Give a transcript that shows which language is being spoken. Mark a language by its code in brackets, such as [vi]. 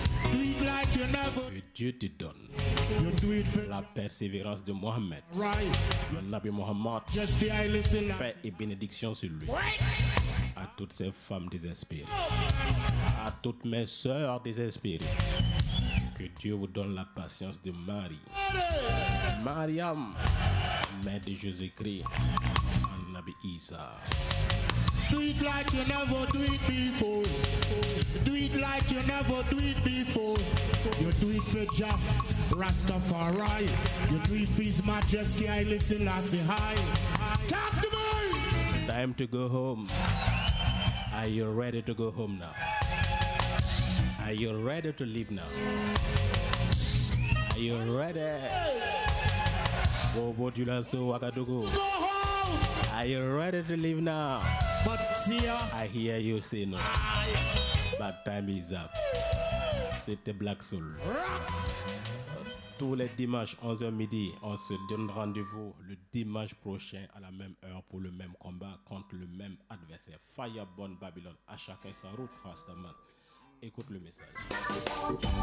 [fr] Que Dieu te donne la persévérance de Mohamed, le Nabi Mohamed, paix et bénédiction sur lui. À toutes ces femmes désespérées, à toutes mes sœurs désespérées, que Dieu vous donne la patience de Marie, Mariam, mère de Jésus-Christ, le Nabi Isa. [en] Do it like you never do it before. Do it like you never do it before. You do it for Jah, Rastafari. You do it for His Majesty, I listen, I say hi. Talk to me! Time to go home. Are you ready to go home now? Are you ready to leave now? Are you ready? Oh, what you so wakadugu. Go home! Are you ready to leave now? I hear you say no, but time is up. [fr] C'était Black Soul. Tous les dimanches, 11h midi, on se donne rendez-vous le dimanche prochain à la même heure pour le même combat contre le même adversaire. [en] Fireborn Babylon, [fr] à chacun sa route, Rastaman. Écoute le message.